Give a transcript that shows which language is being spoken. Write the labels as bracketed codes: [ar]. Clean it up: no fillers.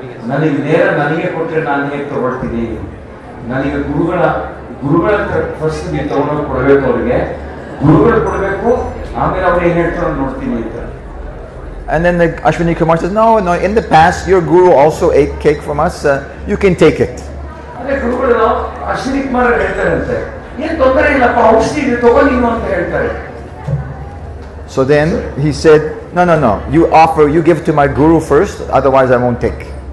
[kn] ನನಗೆ ನೇರ ನನಗೆ ಕೊಟ್ಟರೆ ನಾನು ಹೇಗೆ ತಗೊಳ್ತೀನಿ, ನನಗೆ ಗುರುಗಳ ಫಸ್ಟ್ ನೀವು ತಗೊಂಡು ಕೊಡಬೇಕು, ಅವರಿಗೆ ಗುರುಗಳು ಕೊಡಬೇಕು, ಆಮೇಲೆ ಅವ್ರು ಏನ್ ಹೇಳ್ತಾರ ನೋಡ್ತೀನಿ ಅಂತ. [en] And then the Ashwini Kumar says, no, no, in the past your guru also ate cake from us, you can take it. [kn] ಅದೇ ಗುರುಗಳು ಅಶ್ವಿನಿ ಕುಮಾರ್ ಹೇಳ್ತಾರಂತೆ, ಏನ್ ತೊಂದರೆ ಇಲ್ಲಪ್ಪ ಔಷಧಿ ಇದೆ ತಗೋ ನೀವು ಅಂತ ಹೇಳ್ತಾರೆ. [en] So then he said, no, no, no, you offer, you give to my guru first, otherwise I won't take.